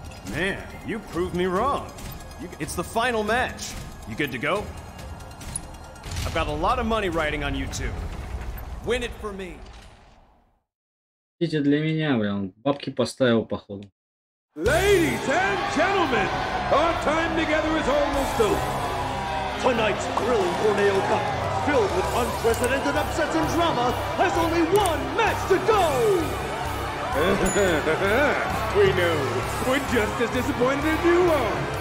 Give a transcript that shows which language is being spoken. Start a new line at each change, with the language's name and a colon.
English: Man, you proved me wrong. It's the final match. You good to go? I've got a lot of money riding on you two. Win it for me.
Russian: Видите, для меня, блин, бабки поставил, походу.
English: Ladies and gentlemen, our time together is almost over. Tonight's thrilling Borneo Cup, filled with unprecedented upsets and drama, has only one match to go! We know. We're just as disappointed as you are.